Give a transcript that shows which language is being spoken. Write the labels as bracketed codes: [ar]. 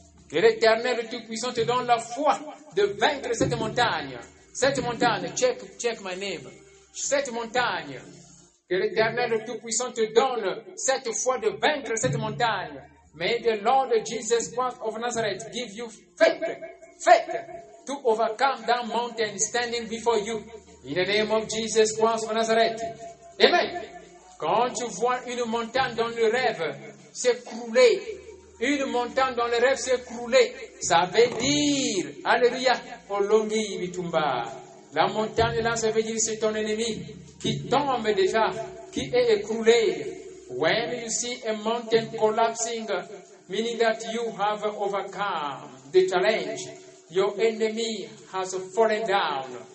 [fr] Que l'Éternel Tout-Puissant te donne la foi de vaincre cette montagne. Cette montagne, check my name. Cette montagne. Que l'Éternel Tout-Puissant te donne cette foi de vaincre cette montagne. [en] May the Lord Jesus Christ of Nazareth give you faith, faith to overcome that mountain standing before you. In the name of Jesus Christ of Nazareth. Amen. [fr] Quand tu vois une montagne dans le rêve s'écrouler, une montagne dans le rêve s'écrouler, ça veut dire, alléluia, Olongi Bitumba. La montagne là, ça veut dire c'est ton ennemi qui tombe déjà, qui est écroulé. [en] When you see a mountain collapsing, meaning that you have overcome the challenge, your enemy has fallen down.